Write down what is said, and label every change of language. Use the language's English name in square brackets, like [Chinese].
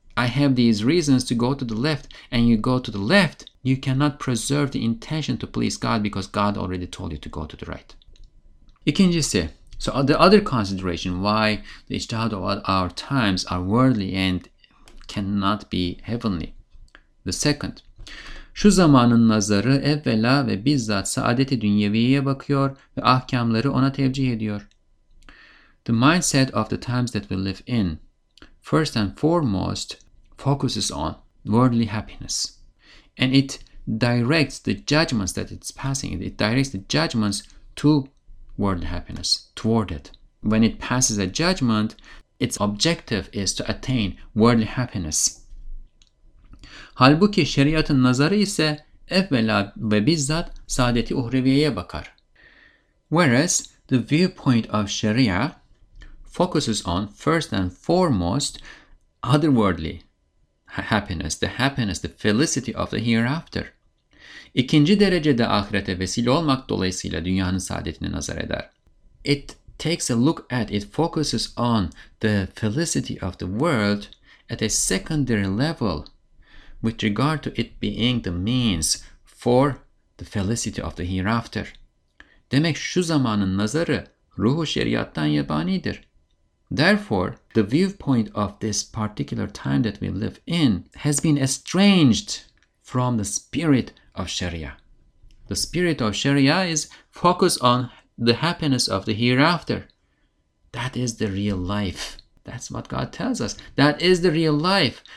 [English] I have these reasons to go to the left, and you go to the left, you cannot preserve the intention to please God because God already told you to go to the right. [Turkish] İkincisi, [English] so the other consideration why the ijtihad of our times are worldly and cannot be heavenly. The second, [Turkish] şu zamanın nazarı evvela ve bizzat saadeti dünyeviye bakıyor ve ahkamları ona tevcih ediyor. [English] The mindset of the times that we live in, first and foremost, focuses on worldly happiness. And it directs the judgments that it's passing. It directs the judgments to worldly happiness, toward it. When it passes a judgment, its objective is to attain worldly happiness. [Turkish] Halbuki şeriatın nazarı ise evvela ve bizzat saadeti uhreviyeye bakar. [English] Whereas the viewpoint of Sharia focuses on first and foremost otherworldly happiness, the happiness, the felicity of the hereafter. [Turkish] İkinci derecede ahirete vesile olmak dolayısıyla dünyanın saadetine nazar eder. [English] It takes a look at, it focuses on the felicity of the world at a secondary level with regard to it being the means for the felicity of the hereafter. [Turkish] Demek şu zamanın nazarı ruhu şeriattan yabanidir. [English] Therefore, the viewpoint of this particular time that we live in has been estranged from the spirit of Sharia. The spirit of Sharia is focused on the happiness of the hereafter. That is the real life. That's what God tells us. That is the real life.